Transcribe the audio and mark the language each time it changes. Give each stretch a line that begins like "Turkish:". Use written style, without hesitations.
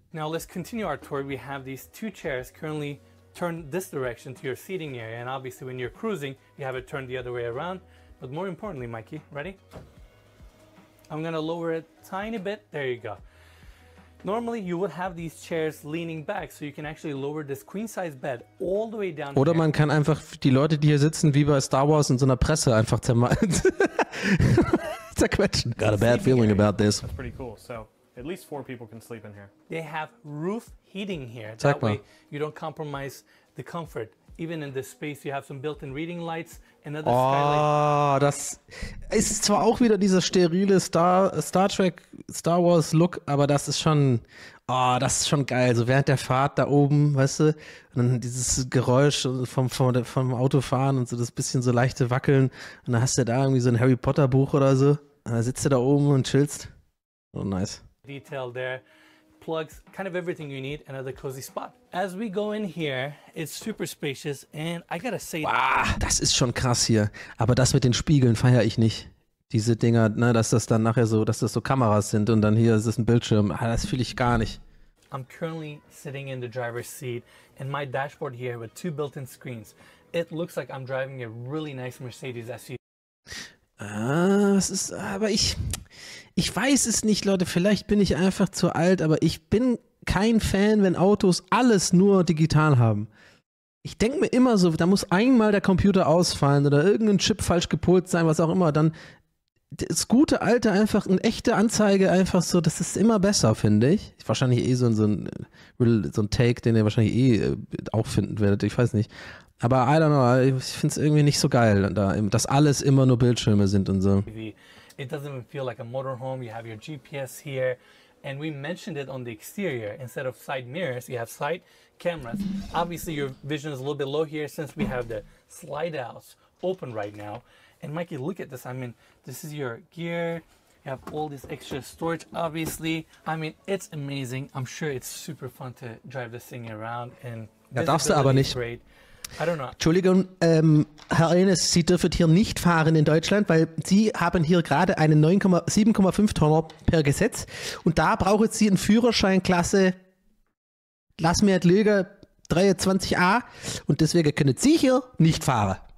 English: Now let's continue our tour. We have these two chairs currently turned this direction to your seating area. And obviously when you're cruising, you have it turned the other way around. But more importantly, Mikey, ready? I'm gonna lower it a tiny bit. There you go. Normally you would have these chairs leaning back, so you can actually lower this queen size bed all the way down.
German: Oder man kann einfach die Leute, die hier sitzen, wie bei Star Wars in so einer Presse einfach zerquetschen.
English: Got a bad feeling about this. That's pretty cool. So at least four people can sleep in here. They have roof heating here.
German: Zeig
English: that
German: mal.
English: Way you don't compromise the comfort. Even in this space, you have some built-in reading lights. Another oh, skylight.
German: Das ist zwar auch wieder dieser sterile Star Wars Look, aber das ist schon, oh, das ist schon geil. So während der Fahrt da oben, weißt du, und dann dieses Geräusch vom Autofahren und so das bisschen so leichte Wackeln. Und dann hast du da irgendwie so ein Harry Potter Buch oder so. Und dann sitzt du da oben und chillst.
English: Oh, nice. Detail there. Plugs, kind of everything you need, another cozy spot. As we go in here, it's super spacious and I gotta say...
German: Wow, das ist schon krass hier. Aber das mit den Spiegeln feiere ich nicht. Diese Dinger, ne, dass das dann nachher so, dass das so Kameras sind und dann hier ist es ein Bildschirm. Ah, das fühle ich gar nicht.
English: I'm currently sitting in the driver's seat and my dashboard here with two built-in screens. It looks like I'm driving a really nice Mercedes SUV.
German: Es ist, aber ich weiß es nicht, Leute, vielleicht bin ich einfach zu alt, aber ich bin kein Fan, wenn Autos alles nur digital haben. Ich denke mir immer so, da muss einmal der Computer ausfallen oder irgendein Chip falsch gepolt sein, was auch immer, dann das gute alte einfach, eine echte Anzeige einfach so, das ist immer besser, finde ich. Wahrscheinlich eh so ein Take, den ihr wahrscheinlich eh auch finden werdet, ich weiß nicht. Aber
English: I don't know,
German: ich finde es irgendwie nicht so geil, dass alles immer nur Bildschirme sind und so.
English: It doesn't even feel like a motorhome, you have your GPS here. And we mentioned it on the exterior, instead of side mirrors, you have side cameras. Obviously your vision is a little bit low here, since we have the slide outs open right now. And Mikey, look at this, I mean, this is your gear, you have all this extra storage, obviously. I mean, it's amazing, I'm sure it's super fun to drive this thing around. And
German: ja, darfst du aber nicht.
English: Great. I don't know.
German: Entschuldigung, Herr Enes, Sie dürfen hier nicht fahren in Deutschland, weil Sie haben hier gerade einen 7,5 Tonner per Gesetz und da brauchen Sie einen Führerschein Klasse, lass mir das lügen, 23a und deswegen können Sie hier nicht fahren.